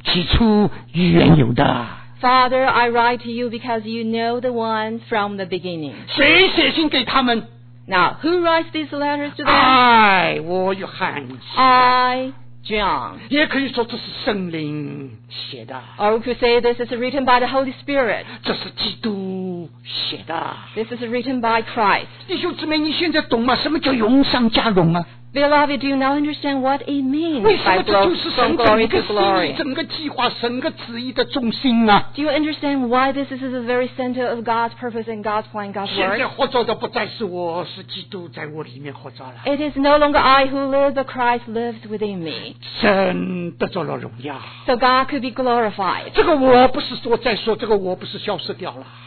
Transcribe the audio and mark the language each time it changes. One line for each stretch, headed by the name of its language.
Chinese: Elder就是这个老年，父老啊，我写信给你们，因为你认识了那起初原有的。
English: Father, I write to you because you know the one from the beginning.
Chinese: 谁写信给他们？
English: Now, who writes these letters to them? I, John.
Chinese: 也可以说这是圣灵写的。
English: Or we could say this is written by the Holy Spirit.
Chinese: 这是基督写的。
English: This is written by Christ.
Chinese: 弟兄姊妹，你现在懂吗？什么叫荣上加荣啊？
English: Beloved, do you now understand what it means?
Chinese: 为什么这就是神整个计划、整个旨意的中心啊？
English: Do you understand why this is the very center of God's purpose and God's plan, God's work?
Chinese: 现在活着的不再是我，是基督在我里面活着了。
English: It is no longer I who live, but Christ lives within me.
Chinese: 神得着了荣耀。
English: So God could be glorified.
Chinese: 这个我不是说，我再说，这个我不是消失掉了。